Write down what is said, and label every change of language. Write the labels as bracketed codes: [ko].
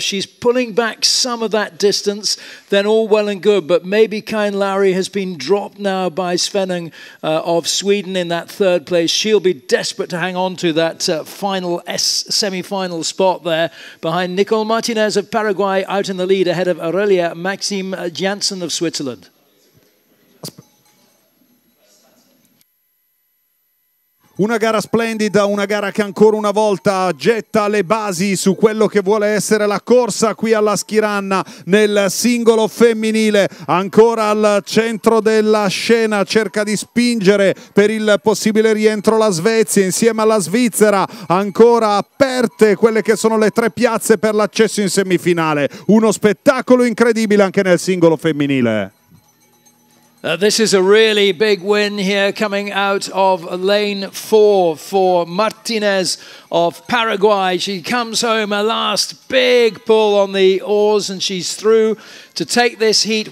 [en] She's pulling back some of that distance, then all well and good, but maybe Kine Lowry has been dropped now by Svenning of Sweden in that third place. She'll be desperate to hang on to that final semi-final spot there behind Nicole Martinez of Paraguay out in the lead ahead of Aurelia Maxime Janssen of Switzerland. [it] Una gara splendida, una gara che ancora una volta getta le basi su quello che vuole essere la corsa qui alla Schiranna nel singolo femminile. Ancora al centro della scena, cerca di spingere per il possibile rientro la Svezia insieme alla Svizzera. Ancora aperte quelle che sono le tre piazze per l'accesso in semifinale. Uno spettacolo incredibile anche nel singolo femminile. [en] This is a really big win here coming out of lane four for Martinez of Paraguay. She comes home, a last big pull on the oars, and she's through to take this heat.